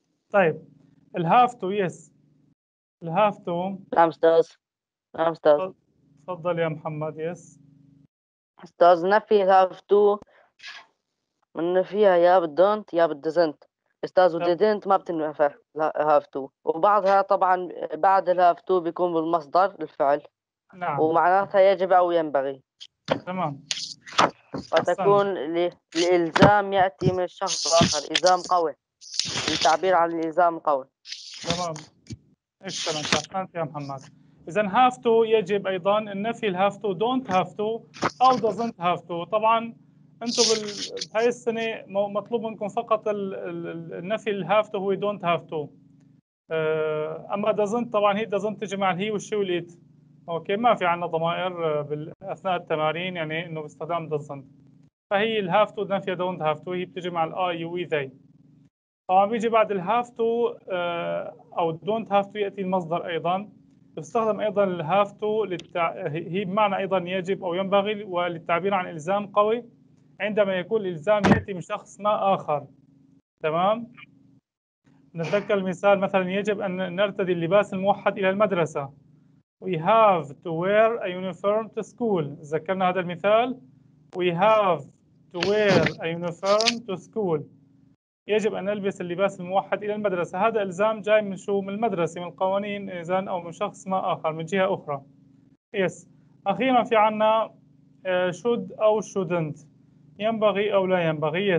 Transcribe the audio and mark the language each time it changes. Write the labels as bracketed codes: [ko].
[ar] طيب الـ have to, yes الـ have to. نعم أستاذ, نعم أستاذ. تفضل يا محمد. يس أستاذ, نفي have to من نفيها يا بالdon't يا بالdoesn't. أستاذ وdidn't ما بتنفع have to, وبعضها طبعا بعد الـ have to بيكون بالمصدر الفعل. نعم. ومعناتها يجب أو ينبغي. تمام. وتكون الإلزام يأتي من الشخص الآخر, إلزام قوي, للتعبير عن الإلزام قوي. تمام. إكسلنت, أحسنت يا محمد. إذن have to يجب أيضا النفي الـ have to, don't have to أو doesn't have to. طبعا أنتوا بهاي السنة مطلوب منكم فقط النفي الـ have to هو don't have to. أما doesn't طبعا هي doesn't تجمع الـ he والشي والـ it. اوكي ما في عندنا ضمائر بالاثناء التمارين يعني انه باستخدام دزنت, فهي الهاف تو نفي دونت هاف تو, هي بتجمع الاي وي ذي. طبعا بيجي بعد الهاف تو او دونت هاف تو ياتي المصدر ايضا. بيستخدم ايضا الهاف تو هي بمعنى ايضا يجب او ينبغي وللتعبير عن الزام قوي عندما يكون الالزام ياتي من شخص ما اخر. تمام. نتذكر المثال مثلا يجب ان نرتدي اللباس الموحد الى المدرسه. [en] We have to wear a uniform to school. [ar] ذكرنا هذا المثال. [en] We have to wear a uniform to school. [ar] يجب أن نلبس اللباس الموحد إلى المدرسة. هذا إلزام جاي من شو؟ من المدرسة, من القوانين إذا, أو من شخص ما آخر من جهة أخرى. [en] Yes. [ar] أخيرا في عنا should أو shouldn't, ينبغي أو لا ينبغي.